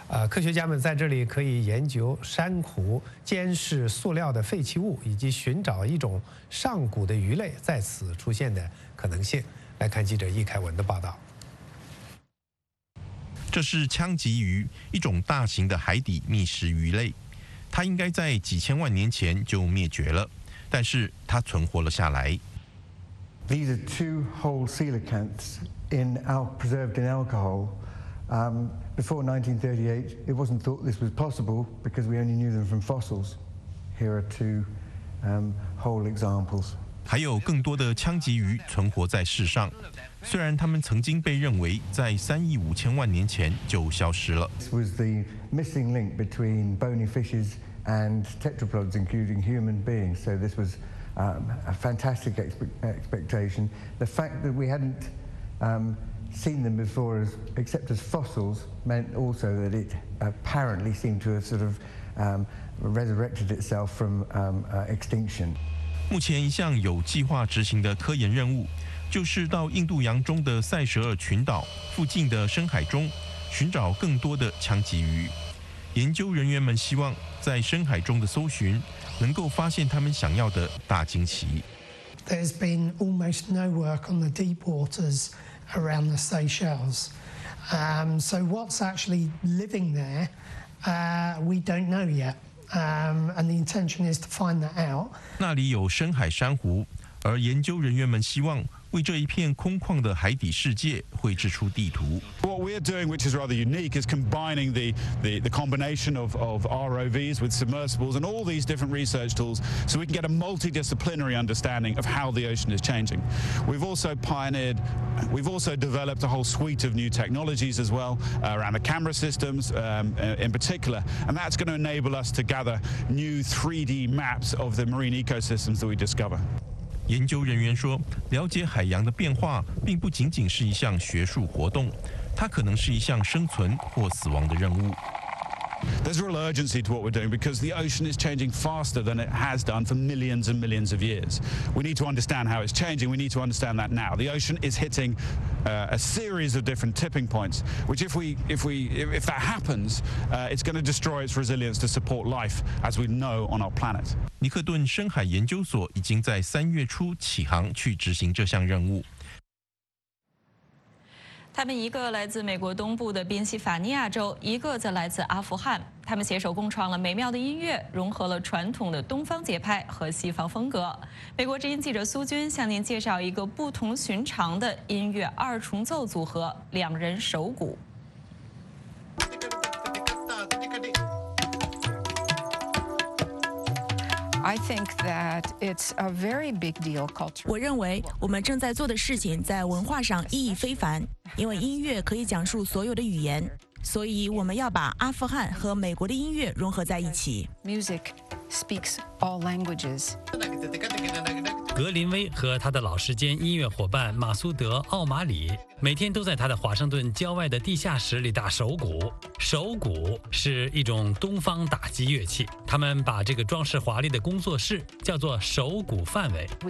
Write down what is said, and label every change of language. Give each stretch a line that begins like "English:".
Chinese: 科学家们在这里可以研究珊瑚，监视塑料的废弃物，以及寻找一种上古的鱼类在此出现的可能性。来看记者易凯文的报道。这是枪极鱼，一种大型的海底觅食鱼类，它应该在几千万年前就灭绝了，但是它存活了下来。
English: These are two whole coelacanths preserved in alcohol. Before 1938, it wasn't thought this was possible because we only knew them from fossils. Here are two whole examples.
Chinese: 还有更多的枪极鱼存活在世上。虽然他们曾经被认为在3亿5千万年前就消失了。
English: This was the missing link between bony fishes and tetrapods, including human beings. So this was a fantastic expectation. The fact that we hadn't seen them before, except as fossils, meant also that it apparently seemed to have sort of resurrected itself from extinction.
Chinese: 目前一项有计划执行的科研任务，就是到印度洋中的塞舌尔群岛附近的深海中寻找更多的枪极鱼。研究人员们希望在深海中的搜寻能够发现他们想要的大惊奇。
English: There's been almost no work on the deep waters around the Seychelles. So what's actually living there, we don't know yet. And the intention is to find that out.
Chinese: 那里有深海珊瑚，而研究人员们希望为这一片空旷的海底世界绘制出地图。
English: What we're doing, which is rather unique, is combining the combination of ROVs with submersibles and all these different research tools, so we can get a multidisciplinary understanding of how the ocean is changing. We've also developed a whole suite of new technologies as well around the camera systems, in particular, and that's going to enable us to gather new 3D maps of the marine ecosystems that we discover.
Chinese: 研究人员说，了解海洋的变化并不仅仅是一项学术活动，它可能是一项生存或死亡的任务。
English: There's real urgency to what we're doing because the ocean is changing faster than it has done for millions and millions of years. We need to understand how it's changing. We need to understand that now. The ocean is hitting a series of different tipping points, which if that happens, it's going to destroy its resilience to support life as we know on our planet.
Chinese: 尼克顿深海研究所已经在三月初启航去执行这项任务。他们一个来自美国东部的宾夕法尼亚州，一个则来自阿富汗。他们携手共创了美妙的音乐，融合了传统的东方节拍和西方风格。美国之音记者苏军向您介绍一个不同寻常的音乐二重奏组合——两人手鼓。
English: I think that it's a very big deal culturally.
Chinese: 我认为我们正在做的事情在文化上意义非凡，因为音乐可以讲述所有的语言，所以我们要把阿富汗和美国的音乐融合在一起。
English: Music speaks all languages.
Chinese: 格林威和他的老师兼音乐伙伴马苏德·奥马里每天都在他的华盛顿郊外的地下室里打手鼓。手鼓是一种东方打击乐器，他们把这个装饰华丽的工作室叫做手鼓范围。